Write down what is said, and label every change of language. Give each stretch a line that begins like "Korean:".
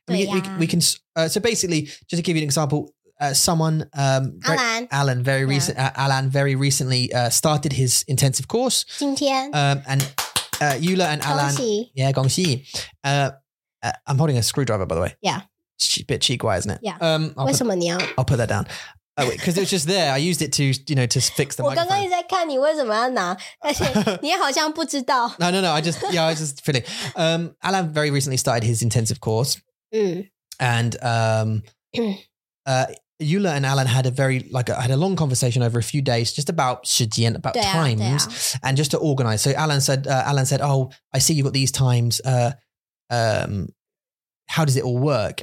English: So basically, just to give you an example, Alan very recently started his intensive course.
Chinese: 今天.
English: Yula and Alan.
Chinese: 恭喜.
English: Yeah, 恭喜.I'm holding a screwdriver, by the way. Yeah. It's a bit cheek-wise, isn't it? Yeah. I'll put that down. Oh, wait, because it was just there. I used it to, you know, to fix the microphone.
Chinese: 我刚刚也在看你为什么要拿,而且你好像不知道.
English: No. I was just feeling. Alan very recently started his intensive course. Yula and Alan had a long conversation over a few days, just about 时间, about times, and just to organize. So Alan said, oh, I see you've got these times. How does it all work?